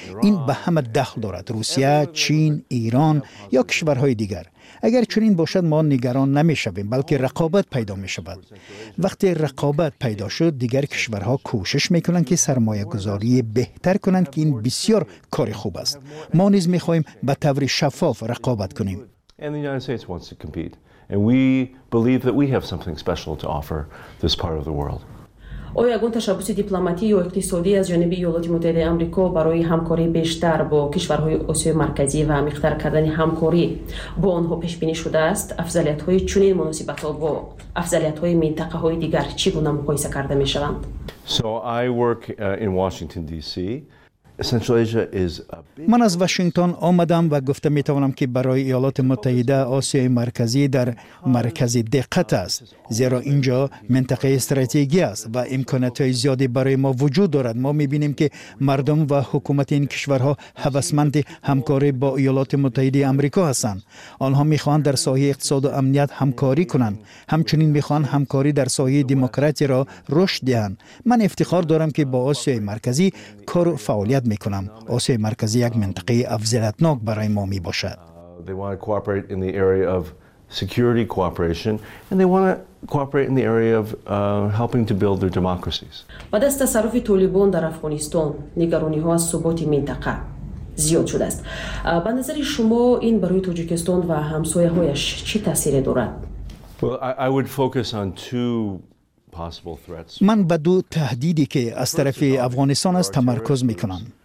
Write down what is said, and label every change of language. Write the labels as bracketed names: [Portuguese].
[Persian] این به همه دخل دارد. روسیه، چین، ایران یا کشورهای دیگر. اگر چنین باشد ما نگران نمی شویم بلکه رقابت پیدا می شود. وقتی رقابت پیدا شد دیگر کشورها کوشش می کنند که سرمایه گذاری بهتر کنند که این بسیار کار خوب است. ما نیز می خواهیم به طور شفاف رقابت کنیم. [English] And we believe that we have something special to offer this part of the world. [Persian] آیا گونه تشبث دیپلماتیک و اقتصادی از جانب ایالات متحده آمریکا برای همکاری بیشتر با کشورهای آسیای مرکزی و عمیق‌تر کردن همکاری با آنها پیش بینی شده است؟ افضلیت‌های چنین مناسبت‌ها با افضلیت‌های منطقه‌های دیگر چگونه مقایسه کرده می‌شوند؟ [English] So I work in Washington DC. Central Asia is a big... [Persian] من از واشنگتن آمدم و گفته می توانم که برای ایالات متحده آسیای مرکزی در مرکز دقت است، زیرا اینجا منطقه استراتژی است و امکانات زیادی برای ما وجود دارد. ما می بینیم که مردم و حکومت این کشورها هوسمند همکاری با ایالات متحده آمریکا هستند. آنها می خواهند در سایه اقتصاد و امنیت همکاری کنند، همچنین می خواهند همکاری در سایه دموکراسی را رشد دهند. من افتخار دارم که با آسیای مرکزی کار و فعالیت می کنم. آسیای مرکزی یک منطقه افضلتناک برای ما می باشد. [English] They want to cooperate in the area of security cooperation and they want to cooperate in the area of helping to build their democracies. [Persian] بعد از تصرف طالبان در افغانستان، نگرانی‌ها از ثبات منطقه زیاد شده است. به نظر شما این برای تاجیکستان و همسایه‌هایش چه تأثیری دارد؟ [English] Well, I would focus on two [Persian] من به دو تهدیدی که از طرف افغانستان است تمرکز میکنم.